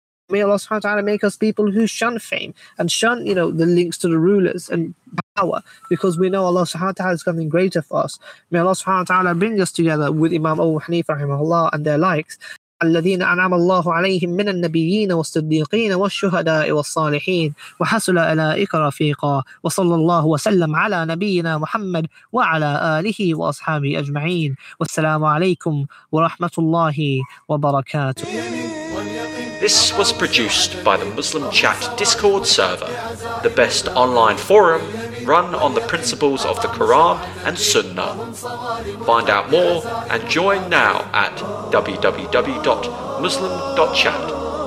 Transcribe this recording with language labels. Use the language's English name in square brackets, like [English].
[English] May Allah subhanahu wa ta'ala make us people who shun fame and shun, you know, the links to the rulers and power, because we know Allah subhanahu wa ta'ala is something greater for us. May Allah subhanahu wa ta'ala bring us together with Imam Abu Hanifa rahimahullah and their likes. [Arabic] الذين أنعم الله عليهم من النبيين والصديقين والشهداء والصالحين وحصل على إكرافيقا وصلى الله وسلم على نبينا محمد وعلى آله وأصحابه أجمعين والسلام عليكم ورحمة الله وبركاته [English] This was produced by the Muslim Chat Discord server, the best online forum run on the principles of the Quran and Sunnah. Find out more and join now at www.muslim.chat.